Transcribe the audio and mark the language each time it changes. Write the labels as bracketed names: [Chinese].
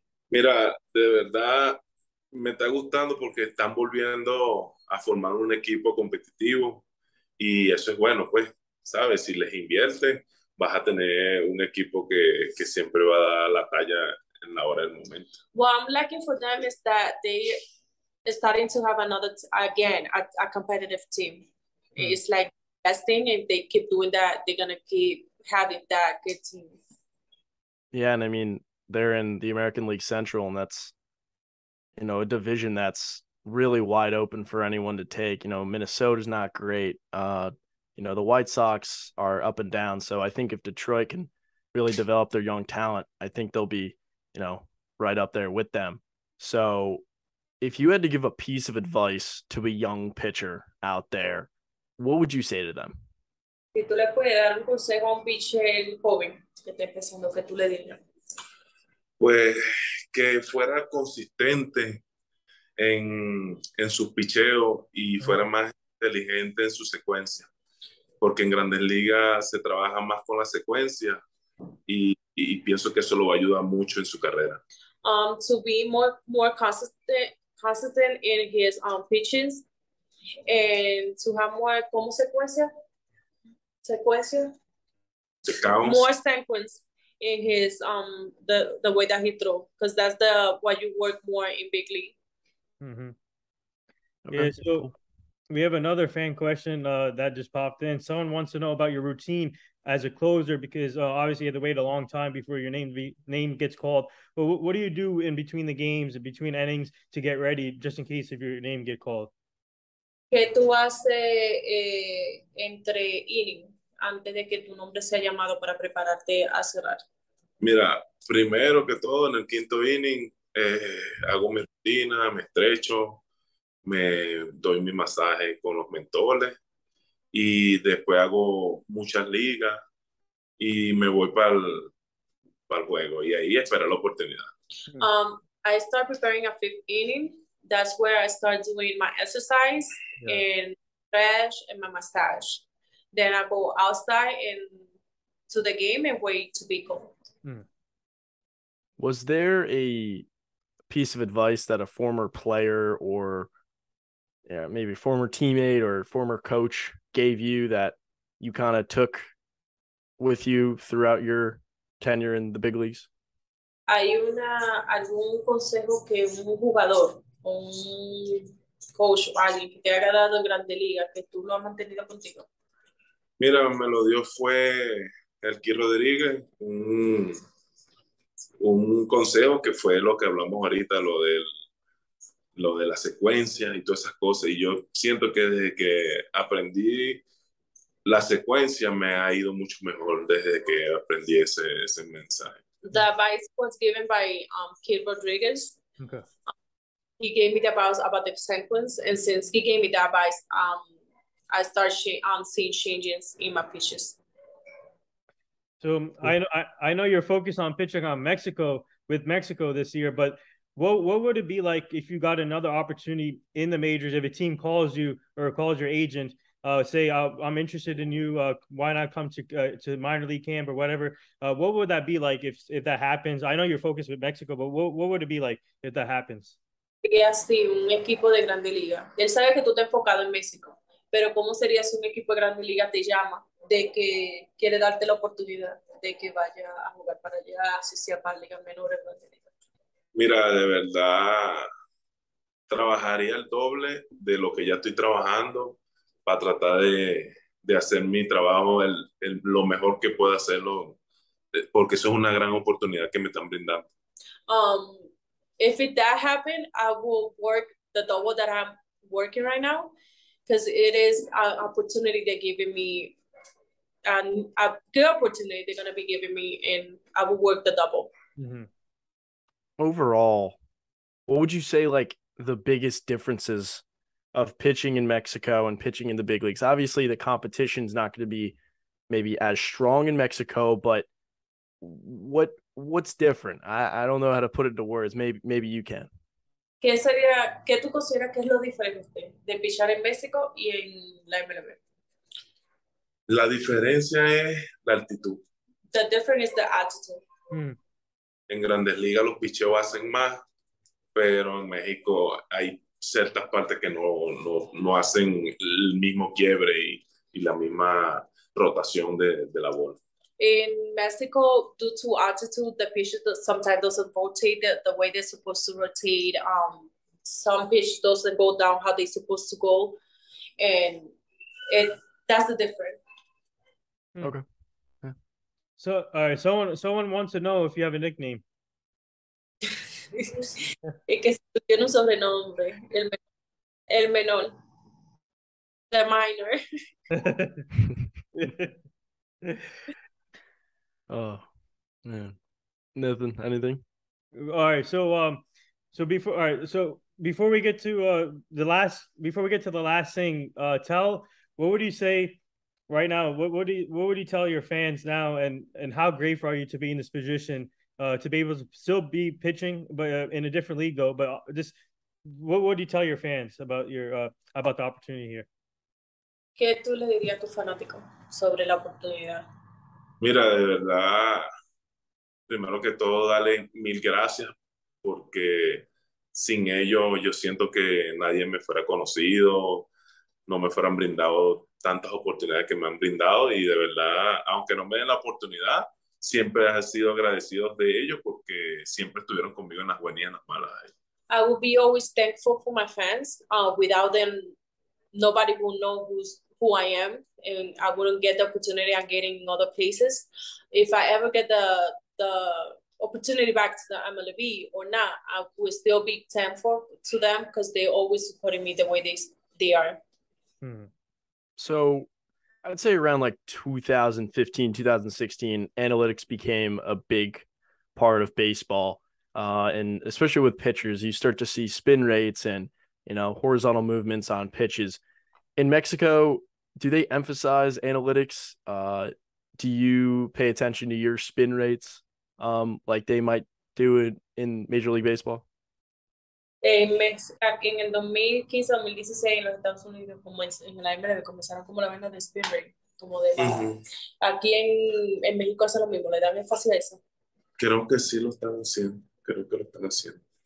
[Spanish] Mira, de verdad me está gustando porque están volviendo a formar un equipo competitivo. Y eso es bueno, pues, ¿sabes? Si les inviertes, vas a tener un equipo que siempre va a dar la talla en la hora del momento. [English] What I'm lacking for them is that they are starting to have another, a competitive team. Mm-hmm. It's like best thing, if they keep doing that, they're going to keep having that good team. Yeah, and I mean, they're in the American League Central, and that's, you know, a division that's really wide open for anyone to take. You know, Minnesota's not great. You know, the White Sox are up and down. So I think if Detroit can really develop their young talent, I think they'll be, you know, right up there with them. So if you had to give a piece of advice to a young pitcher out there, what would you say to them? [Spanish] Si tú le puedes dar un consejo a un pitcher joven que está empezando, que tú le dirías. Pues que fuera consistente en sus picheos y fuera más inteligente en su secuencia, porque en Grandes Ligas se trabaja más con la secuencia y pienso que eso lo va a ayudar mucho en su carrera. [English] To be more consistent in his pitches and to have more, [Spanish] ¿cómo secuencia? Secuencia. [English] The counts. More sequence in his the way that he throw, because that's the what you work more in big league. Mm-hmm. Okay. Yeah, so we have another fan question that just popped in. Someone wants to know about your routine as a closer, because obviously you had to wait a long time before your name gets called. But what do you do in between the games and between innings to get ready, just in case if your name get called? [Spanish] ¿Qué tú haces entre inning antes de que tu nombre sea llamado para prepararte a cerrar? Mira, primero que todo, en el quinto inning, hago mi rutina, me estrecho, me doy mi masaje con los mentores y después hago muchas ligas y me voy para el para el juego y ahí esperé la oportunidad. [English] I start preparing a fifth inning. That's where I start doing my exercise and stretch and my massage. Then I go outside and to the game and wait to be called. Was there a piece of advice that a former player or maybe former teammate or former coach gave you that you kind of took with you throughout your tenure in the big leagues? [Spanish] Hay una algún consejo que un jugador o un coach o alguien que te haya dado en Grande Liga que tú lo has mantenido contigo? Mira, me lo dio fue Elky Rodríguez, un consejo que fue lo que hablamos ahorita, lo de la secuencia y todas esas cosas. Y yo siento que desde que aprendí la secuencia me ha ido mucho mejor desde que aprendí ese mensaje. [English] The advice was given by Kid Rodriguez. Okay. He gave me the advice about the sequence, and since he gave me the advice, I start seeing changes in my pitches. So I know you're focused on pitching on Mexico with Mexico this year, but what would it be like if you got another opportunity in the majors? If a team calls you or calls your agent, say I'm interested in you. Why not come to minor league camp or whatever? What would that be like if that happens? I know you're focused with Mexico, but what would it be like if that happens? [Spanish] Sí, un equipo de Grande Liga. Él sabe que tú estás enfocado en México, pero cómo sería si un equipo de Grande Liga te llama de que quiere darte la oportunidad de que vaya a jugar para allá, si sea para ligas menores, Grande Liga. Mira, de verdad trabajaría el doble de lo que ya estoy trabajando para tratar de hacer mi trabajo el lo mejor que pueda hacerlo, porque eso es una gran oportunidad que me están brindando. [English] If that happened, I will work the double that I'm working right now, because it is an opportunity they're giving me, and a good opportunity they're going to be giving me, and I will work the double. Mm-hmm. Overall, what would you say like the biggest differences of pitching in Mexico and pitching in the big leagues? Obviously, the competition is not going to be maybe as strong in Mexico, but what's different? I don't know how to put it into words. Maybe you can. [Spanish] ¿Qué sería, qué tú consideras que es lo diferente de pichar en México y en la MLB? La diferencia es la altitud. [English] The difference is the altitude. [Spanish] En Grandes Ligas los picheos hacen más, pero en México hay ciertas partes que no hacen el mismo quiebre y la misma rotación de la bola. [English] In Mexico, due to altitude, the pitches sometimes doesn't rotate the way they're supposed to rotate. Some pitch doesn't go down how they're supposed to go, and that's the difference. Okay. Yeah. So, all right. Someone wants to know if you have a nickname. [Spanish] Es que tiene un sobrenombre, el menor, [English] the minor. Oh man, nothing, anything. All right, so before we get to the last thing, what would you say right now? What would you tell your fans now? And how grateful are you to be in this position, to be able to still be pitching, but in a different league though? But just what would you tell your fans about about the opportunity here? [Spanish] ¿Qué tú le dirías a tu fanático sobre la oportunidad? Mira, de verdad, primero que todo, dale mil gracias, porque sin ellos yo siento que nadie me fuera conocido, no me fueran brindado tantas oportunidades que me han brindado, y de verdad, aunque no me den la oportunidad, siempre he sido agradecido de ellos, porque siempre estuvieron conmigo en las buenas y en las malas. [English] I will be always thankful for my fans. Without them, nobody will know who I am, and I wouldn't get the opportunity I'm getting in other places. If I ever get the opportunity back to the MLB or not, I will still be thankful to them, because they always supporting me the way they are. Hmm. So I'd say around like 2015, 2016, analytics became a big part of baseball. And especially with pitchers, you start to see spin rates and, horizontal movements on pitches. In Mexico, do they emphasize analytics? Do you pay attention to your spin rates? like they might do it in Major League Baseball? [Spanish] En el 2015, 2016, en los Estados Unidos, como en la MLB, comenzaron como la venta de Spring Break, como de aquí en México hace lo mismo, le dan énfasis a eso. Creo que sí lo están haciendo, creo que lo están haciendo.